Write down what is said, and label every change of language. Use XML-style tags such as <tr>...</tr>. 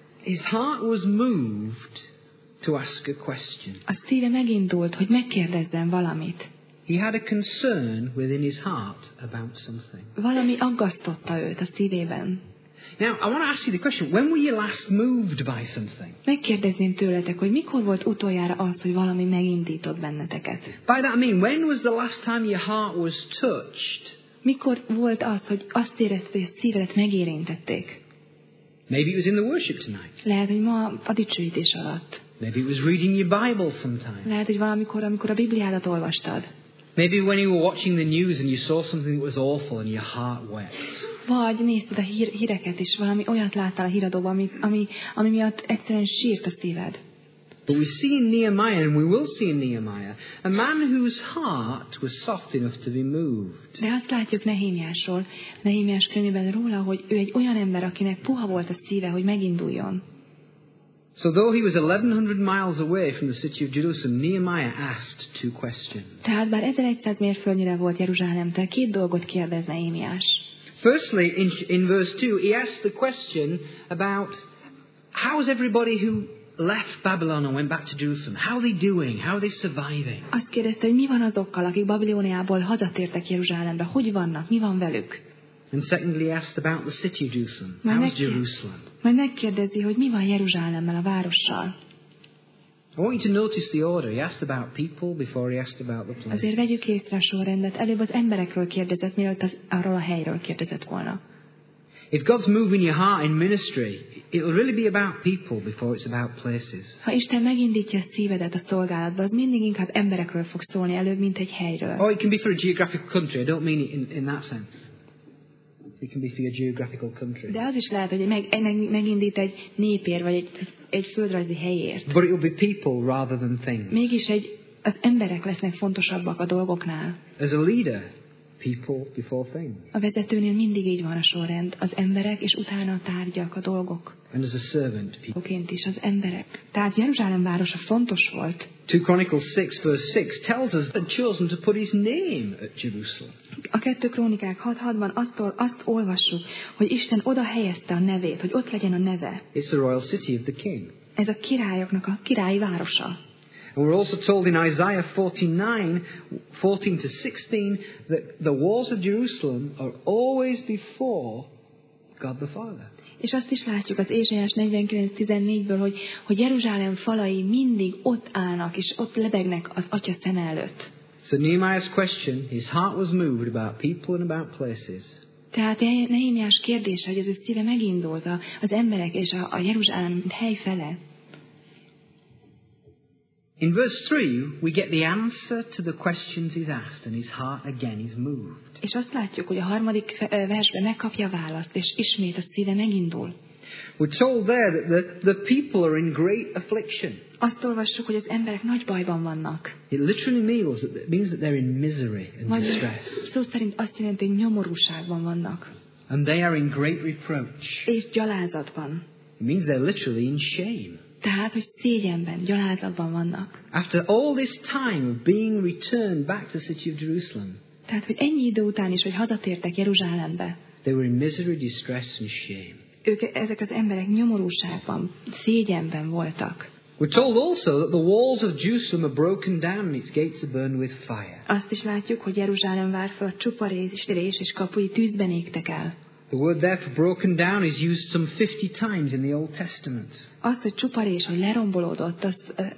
<en>His heart was moved to ask a question.</en> <hu>A szíve megindult, hogy megkérdezzen valamit.</hu> <en>He had a concern within his heart about something.</en> <hu>Valami aggasztotta őt a szívében.</hu> <en>Now, I want to ask you the question, when were you last moved by something?</en> <hu>Megkérdezném tőletek, hogy mikor volt utoljára az, hogy valami megindított benneteket?</hu> <en>By that I mean, when was the last time your heart was touched?</en> <hu>Mikor volt az, hogy azt érezted, hogy a szívedet megérintették?</hu> <en>Maybe it was in the worship tonight.</en> <hu>Lehet, hogy ma a dicsőítés alatt.</hu> <en>Maybe it was reading your Bible sometime.</en> <hu>Lehet, hogy valamikor, amikor a Bibliádat olvastad.</hu> <en>Maybe when you were watching the news and you saw something that was awful and your heart wept.</en> <hu>Vagy nézted a híreket is, valami olyat láttál a híradóban, ami miatt egyszerűen sírt a szíved.</hu> <en>But we see in Nehemiah, and we will see in Nehemiah, a man whose heart was soft enough to be moved.</en> <hu>De azt látjuk Nehémiásról, Nehémiás könyvében róla, hogy ő egy olyan ember, akinek puha volt a szíve, hogy meginduljon.</hu> <en>So though he was 1100 miles away from the city of Jerusalem, Nehemiah asked two questions.</en> <hu>Tehát bár 1100 mérföldnyire volt Jeruzsálemtől, két dolgot kérdez Nehémiás.</hu> <en>Firstly, in verse 2, he asked the question about how is everybody who left Babylon and went back to Jerusalem, how are they doing? How are they surviving?</en> <hu>Azt kérdezte, hogy mi van azokkal, akik Babiloniából hazatértek Jeruzsálembe, hogy vannak, mi van velük?</hu> <en>And secondly, asked about the city of Jerusalem. How is Jerusalem?</en> <hu>Majd megkérdezi, hogy mi van Jeruzsálemmel, a várossal.</hu> <en>I want you to notice the order. He asked about people before he asked about the place.</en> <hu>Azért vegyük észre a sorrendet. Előbb az emberekről kérdezett, mielőtt arról a helyről kérdezett volna.</hu> <en>If God's moving your heart in ministry, it will really be about people before it's about places.</en> <hu>Ha Isten megindítja a szívedet a szolgálatba, az mindig inkább emberekről fog szólni, előbb, mint egy helyről.</hu> <en>Oh, it can be for a geographical country. I don't mean it in that sense. It can be for your geographical country.</en> <hu>De az is lehet, hogy megindít egy népért, vagy egy földrajzi helyért.</hu> <en>But it will be people rather than things.</en> <hu>Mégis az emberek lesznek fontosabbak a dolgoknál.</hu> <en>As a leader, people before things.</en> <hu>A vezetőnél mindig így van a sorrend, az emberek, és utána a tárgyak, a dolgok.</hu> <en>And as a servant, people.</en> <hu>Oként is az emberek. Tehát Jeruzsálem városa fontos volt.</hu> <en>2 Chronicles 6 verse 6 tells us that chosen to put his name at Jerusalem.</en> <hu>A 2 Krónikák 6:6-ban azt olvassuk, hogy Isten oda helyezte a nevét, hogy ott legyen a neve.</hu> <en>It's the royal city of the king.</en> <hu>Ez a királyoknak a királyi városa.</hu> <en>And we're also told in Isaiah 49:14-16 that the walls of Jerusalem are always before God the Father.</en> <hu>És azt is látjuk az Ézsaiás 49:14-ből, hogy Jeruzsálem falai mindig ott állnak, és ott lebegnek az Atya szeme előtt.</hu> <en>So Nehemiah's question, his heart was moved about people and about places.</en> <hu>Tehát Nehémiás kérdése, hogy az ő szíve megindult az emberek és a Jeruzsálem hely fele.</hu> <en>In verse 3, we get the answer to the questions he's asked, and his heart again is moved.</en> <hu>És azt látjuk, hogy a harmadik versben megkapja a választ, és ismét a szíve megindul.</hu> <en>We're told there that the people are in great affliction.</en> <hu>Azt olvassuk, hogy az emberek nagy bajban vannak.</hu> <en>It literally means that they're in misery and distress.</en> <hu>Szó szerint azt jelenti, hogy nyomorúságban vannak.</hu> <en>And they are in great reproach.</en> <hu>És gyalázatban.</hu> <en>It means they're literally in shame.</en> <hu>Tehát, hogy szégyenben, gyalázatban vannak.</hu> <en>After all this time of being returned back to the city of Jerusalem.</en> <hu>Tehát, hogy ennyi idő után is, hogy hazatértek Jeruzsálembe.</hu> <en>They were in misery, distress and shame.</en> <hu>Ők, ezek az emberek nyomorúságban, szégyenben voltak.</hu> <en>We're told also that the walls of Jerusalem are broken down and its gates are burned with fire.</en> <hu>Azt is látjuk, hogy Jeruzsálem várfala csuparés és kapui tűzben égtek el.</hu> <en>The word there for broken down is used some 50 times in the Old Testament.</en> <hu>Azt, hogy csuparés, hogy lerombolódott, azt</hu>